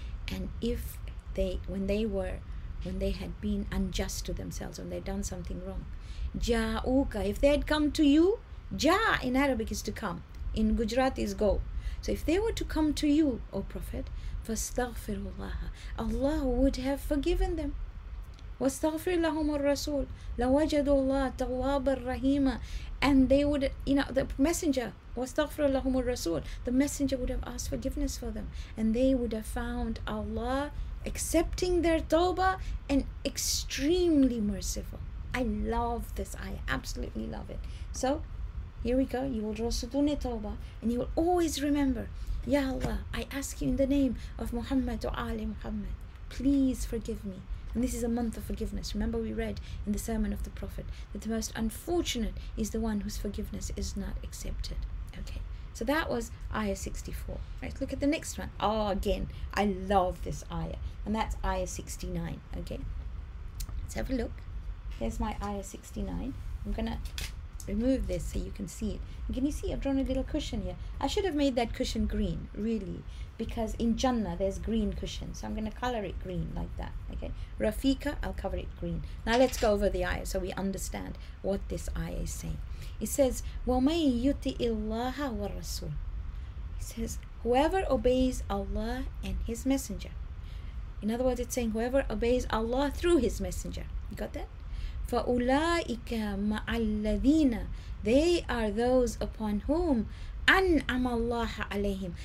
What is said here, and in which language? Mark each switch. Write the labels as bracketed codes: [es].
[en] And if they, when they had been unjust to themselves, when they'd done something wrong, جَاءُوكَ. If they had come to you, جَاء in Arabic is to come. In Gujarati is go. So if they were to come to you, O Prophet, فاستغفرالله, Allah would have forgiven them. [ar] واستغفر لهم الرسول لوجدوا الله توابا رحيما. [en] And they would, you know, the messenger, [ar] واستغفر لهم الرسول, [en] the messenger would have asked forgiveness for them. And they would have found Allah accepting their tawbah and extremely merciful. I love this. I absolutely love it. So here we go. You will draw sutun tawbah and you will always remember, Ya Allah, I ask you in the name of Muhammad or Ali Muhammad, please forgive me. And this is a month of forgiveness. Remember we read in the sermon of the Prophet that the most unfortunate is the one whose forgiveness is not accepted. Okay, so that was ayah 64. Right, look at the next one. Oh, again, I love this ayah. And that's ayah 69. Okay, let's have a look. Here's my IS69. I'm gonna remove this so you can see it. And can you see I've drawn a little cushion here? I should have made that cushion green, really, because in Jannah there's green cushion. So I'm gonna color it green like that. Okay, Rafika, I'll cover it green. Now let's go over the ayah so we understand what this ayah is saying. [ar] It says, وَمَن يُطِعِ اللَّهَ وَالرَّسُولَ. [en] It says, whoever obeys Allah and His Messenger. In other words, it's saying whoever obeys Allah through His Messenger. You got that? [ar] فَأُولَٰئِكَ مَعَ الَّذِينَ. [en] They are those upon whom [ar] أَنْعَمَ اللَّهَ عَلَيْهِمْ.